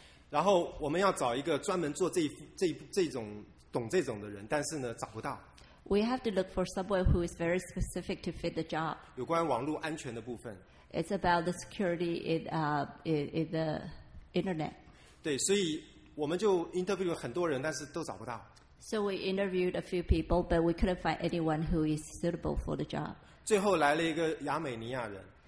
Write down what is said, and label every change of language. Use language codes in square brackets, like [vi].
[zh] 然后我们要找一个专门做这种。懂这种的人，但是呢找不到。 [en] We have to look for someone who is very specific to fit the job. [zh] 有关网络安全的部分。 [en] It's about the security in the internet. [zh] 对，所以我们就 interview 很多人，但是都找不到。 [en] So we interviewed a few people, but we couldn't find anyone who is suitable for the job. [zh] 最后来了一个亚美尼亚人。